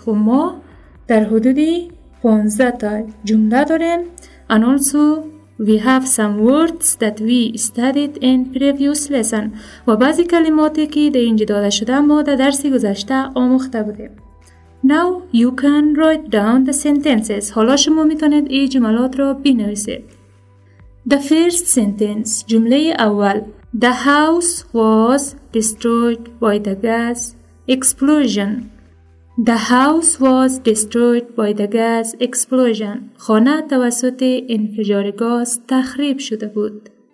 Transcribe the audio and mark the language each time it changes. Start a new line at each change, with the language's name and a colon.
Persian: خب, ما در حدودی 15 تا جمله داریم.
English: And also we have some words that we studied in previous lesson.
Persian: و بعضی کلماتی که در اینجا داده شده ما در درس گذشته آموخته بودیم.
English: Now you can write down the sentences.
Persian: حالا شما میتونید این جملات را بنویسید.
English: The first sentence,
Persian: جمله اول.
English: The house was destroyed by the gas explosion. The house was destroyed by the gas explosion.
Persian: خانه توسط انفجار گاز تخریب شده بود.